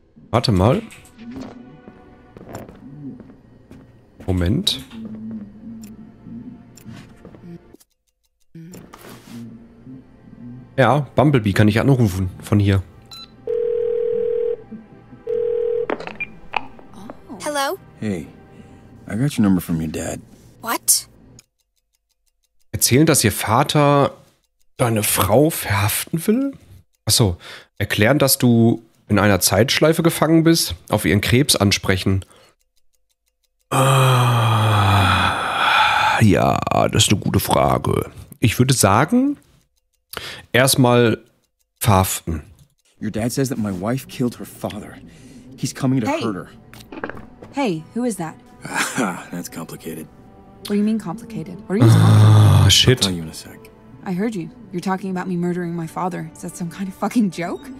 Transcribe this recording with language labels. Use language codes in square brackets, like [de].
[de] Warte mal. Moment. Ja, Bumblebee kann ich anrufen von hier. [en] Hello? Hey, I got your number from your dad. What? [de] Erzählen, dass ihr Vater deine Frau verhaften will? Achso, erklären, dass du in einer Zeitschleife gefangen bist, auf ihren Krebs ansprechen. Ja, das ist eine gute Frage. Ich würde sagen... Erstmal verhaften. [en] Your dad says that my wife killed her father. He's coming to hurt her. Hey, who is that? That's complicated. What do you mean complicated? What you talking about? Shit. I'll tell you in a sec. I heard you. You're talking about me murdering my father. Is that some kind of fucking joke?